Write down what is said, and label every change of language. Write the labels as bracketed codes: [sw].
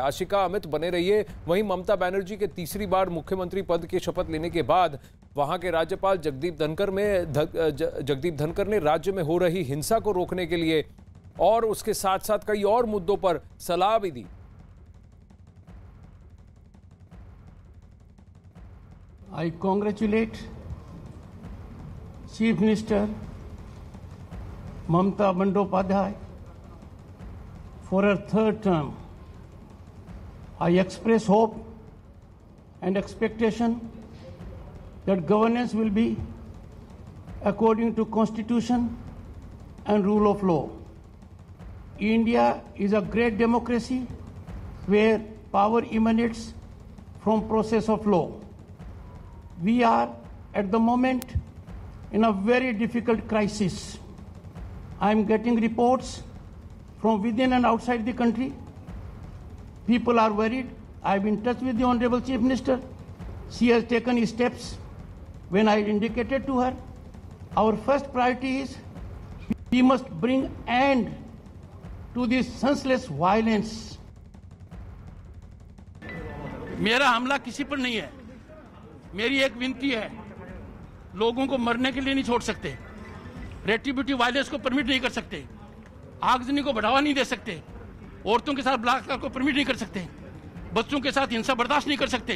[hi] आशिका, अमित बने रहिए। वहीं ममता बनर्जी के तीसरी बार मुख्यमंत्री पद की शपथ लेने के बाद वहाँ के राज्यपाल जगदीप धनखर ने राज्य में हो रही हिंसा को रोकने के लिए और उसके साथ साथ कई और मुद्दों पर सलाह भी दी। [en] I congratulate Chief Minister Mamata Bandyopadhyay for her third term. I express hope and expectation that governance will be according to constitution and rule of law. India is a great democracy where power emanates from process of law. We are at the moment in a very difficult crisis. I am getting reports from within and outside the country. People are worried. I have been in touch with the Honorable Chief Minister. She has taken steps when I indicated to her. Our first priority is we must bring end to this senseless violence. [hi] Mera hamla kisi par nahi hai. मेरी एक विनती है, लोगों को मरने के लिए नहीं छोड़ सकते, [en] retributive violence [hi] को परमिट नहीं कर सकते, आगजनी को बढ़ावा नहीं दे सकते, औरतों के साथ बलात्कार को परमिट नहीं कर सकते, बच्चों के साथ हिंसा बर्दाश्त नहीं कर सकते।